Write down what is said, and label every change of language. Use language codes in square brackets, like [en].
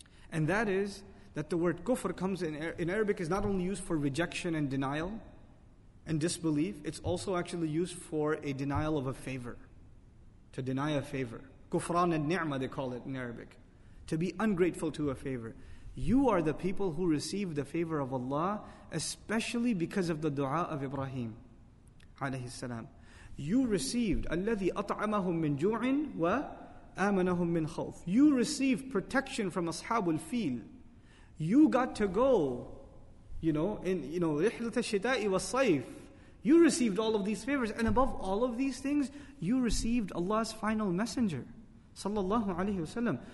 [en] And that is that the word kufr comes in Arabic is not only used for rejection and denial and disbelief, it's also actually used for a denial of a favor. To deny a favor. Kufran and ni'mah, they call it in Arabic. To be ungrateful to a favor. You are the people who receive the favor of Allah, especially because of the dua of Ibrahim alayhi salam. [ar] You received الَّذِي أَطْعَمَهُمْ مِنْ جُوعٍ وَآمَنَهُمْ مِنْ خَوْفٍ. [en] You received protection from أصحاب الفيل. You got to go, you know, in, you know, [ar] رِحْلَةَ الشِّتَاءِ وَالصَّيْفِ. [en] You received all of these favors, and above all of these things, you received Allah's final messenger, sallallahu alaihi wasallam.